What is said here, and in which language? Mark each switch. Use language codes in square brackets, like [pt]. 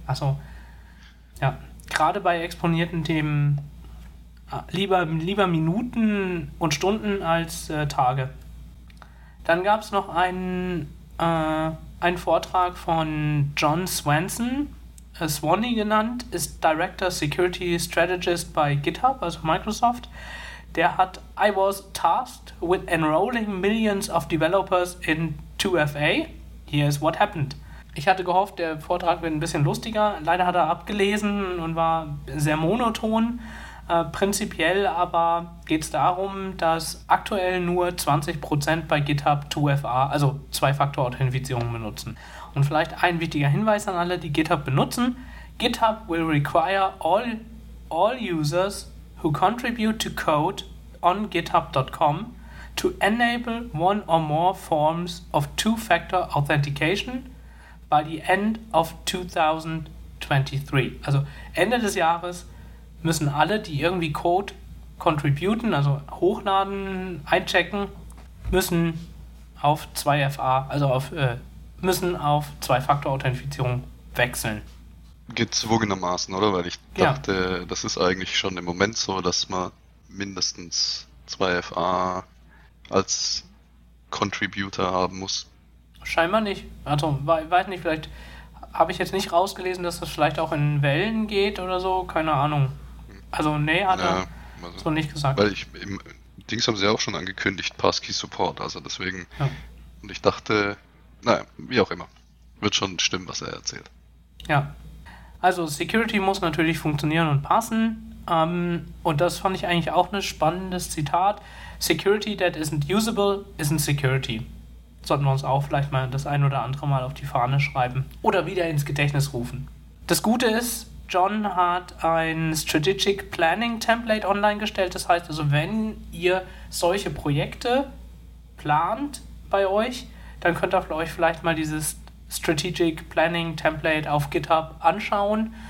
[de] Also ja, gerade bei exponierten Themen lieber Minuten und Stunden als Tage. Dann gab es noch einen Vortrag von John Swanson, Swanee genannt, ist Director Security Strategist bei GitHub, also Microsoft. Der hat, [en] I was tasked with enrolling millions of developers in 2FA. Here's what happened. [de] Ich hatte gehofft, der Vortrag wird ein bisschen lustiger. Leider hat er abgelesen und war sehr monoton. Prinzipiell aber geht es darum, dass aktuell nur 20% bei GitHub 2FA, also Zwei-Faktor-Authentifizierung, benutzen. Und vielleicht ein wichtiger Hinweis an alle, die GitHub benutzen. [en] GitHub will require all users who contribute to code on github.com to enable one or more forms of two-factor authentication by the end of 2023. [de] Also Ende des Jahres müssen alle, die irgendwie Code contributen, also hochladen, einchecken, müssen auf 2FA, also müssen auf Zwei-Faktor-Authentifizierung wechseln. Gezwungenermaßen, oder? Weil ich dachte, ja, das ist eigentlich schon im Moment so, dass man mindestens 2FA als Contributor haben muss. Scheinbar nicht. Also, weiß nicht, vielleicht habe ich jetzt nicht rausgelesen, dass das vielleicht auch in Wellen geht oder so, keine Ahnung. Also, nee, hat er so nicht gesagt. Weil ich, im Dings haben sie ja auch schon angekündigt, Passkey-Support, also deswegen. Ja. Und ich dachte, naja, wie auch immer, wird schon stimmen, was er erzählt. Ja. Also Security muss natürlich funktionieren und passen. Und das fand ich eigentlich auch ein spannendes Zitat. [en] Security that isn't usable isn't security. [de] Sollten wir uns auch vielleicht mal das ein oder andere Mal auf die Fahne schreiben oder wieder ins Gedächtnis rufen. Das Gute ist, John hat ein Strategic Planning Template online gestellt. Das heißt also, wenn ihr solche Projekte plant bei euch, dann könnt ihr euch vielleicht mal dieses Strategic Planning Template auf GitHub anschauen.